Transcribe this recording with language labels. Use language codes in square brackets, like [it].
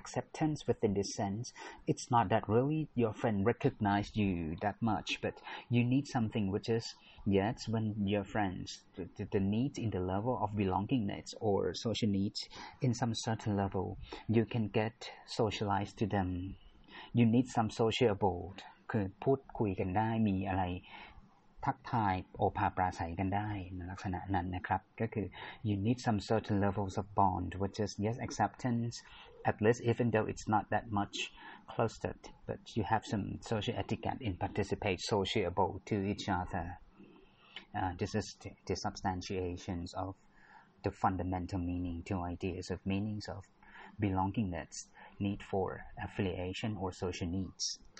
[en] Acceptance within this sense, it's not that really your friend recognized you that much, but you need something which is. Yet, when your friends, the needs in the level of belongingness or social needs in some certain level, you can get socialized to them. You need some sociable. [th] คือพูดคุยกันได้มีอะไรทักทายโอภาปราศัยกันได้ลักษณะนั้นนะครับก็คือ [en] you need some certain levels of bond, which is, yes, acceptance, at least even though it's not that much. Closed, but you have some social etiquette in participate sociable to each other. This is the substantiations of the fundamental meaning, two ideas of meanings of belongingness, need for affiliation or social needs.